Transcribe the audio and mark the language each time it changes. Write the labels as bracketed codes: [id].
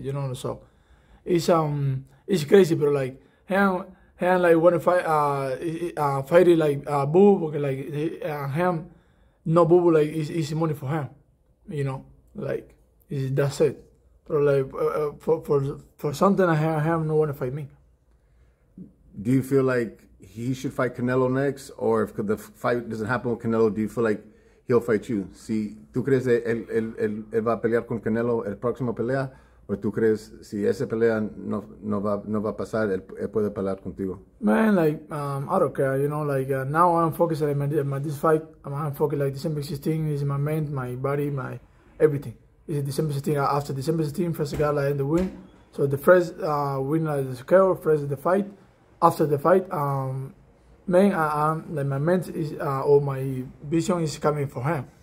[en] You know, so it's crazy. But like him like want to fight fighting like Bubu because like him no Bubu like it's money for him. You know, like. That's it, but like for something I have no one to fight me. Do you feel like he should fight Canelo next, or if the fight doesn't happen with Canelo, do you feel like he'll fight you? [es] Si tú crees él va a pelear con Canelo el próximo pelea, o tú crees si esa pelea no va a pasar, él puede pelear contigo. [en] Man, like I don't care, you know. Like now I'm focused on my this fight. I'm focused like December 16 is my mind, my body, my everything. Is December 16, after December 16, first guy like in the win. So the first win like the scale, first the fight. After the fight, man, I'm like my mental is or my vision is coming for him.